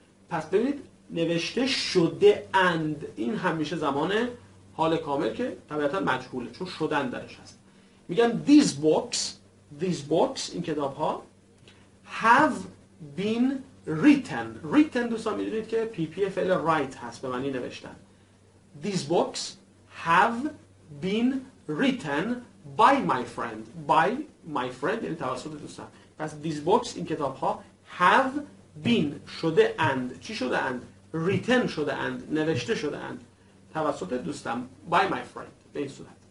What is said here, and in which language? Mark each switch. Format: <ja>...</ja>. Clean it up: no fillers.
<fa>پس ببینید نوشته شده اند، این همیشه زمان حال کامل که طبیعتا مجهوله چون شدن درش هست. میگم</fa> <en>these books،</en> <fa>این کتاب ها</fa> <en>have been written.</en> <fa>written دوستان میدونید که پی پی فعل write هست به معنی نوشتن.</fa> <en>These books have been written by my friend. by my friend</en> <fa>یعنی توسط دوستم. پس</fa> <en>these books،</en> <fa>این کتاب ها</fa> <en>have been،</en> <fa>شده اند، چی شده اند؟ written شده اند، نوشته شده اند توسط دوستم، by my friend، به این صورت.</fa>